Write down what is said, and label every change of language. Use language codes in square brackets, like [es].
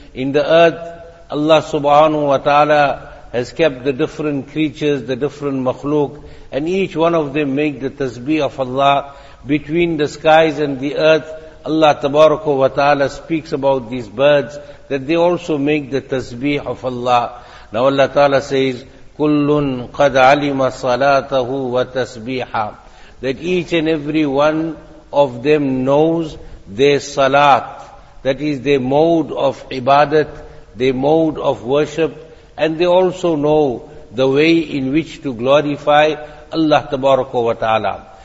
[en] In the earth, Allah subhanahu wa ta'ala has kept the different creatures, the different makhluk, and each one of them make the tasbih of Allah. Between the skies and the earth, Allah tabaraka wa ta'ala speaks about these birds, that they also make the tasbih of Allah. Now Allah ta'ala says, [ar] كُلٌّ قَدْ عَلِمَ صَلَاتَهُ وَتَسْبِيحًا. [en] That each and every one of them knows their salat, that is their mode of ibadat, their mode of worship, and they also know the way in which to glorify Allah tabaraka wa ta'ala.